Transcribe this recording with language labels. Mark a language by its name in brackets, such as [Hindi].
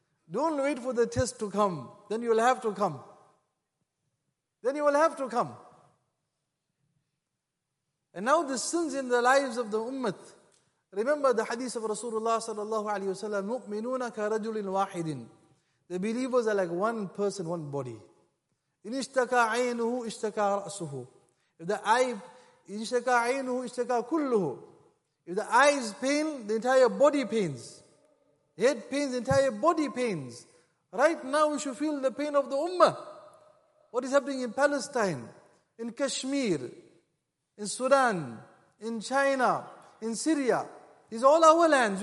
[English] Don't wait for the test to come. Then you will have to come. Then you will have to come. And now the sins in the lives of the ummah. Remember the hadith of Rasulullah sallallahu alayhi wa sallam, [Arabic] مُؤْمِنُونَ كَرَجُلٍ وَاحِدٍ. [English] The believers are like one person, one body. [Arabic] إِنْ اِشْتَكَى عَيْنُهُ اِشْتَكَى رَأْسُهُ. [English] If the eye, [Arabic] اِشْتَكَى عَيْنُهُ اِشْتَكَى كُلُّهُ. [English] If the eyes pain, the entire body pains. Head pains, entire body pains. Right now we should feel the pain of the ummah. What is happening in Palestine, in Kashmir, in Sudan, in China, in Syria. These are all our lands.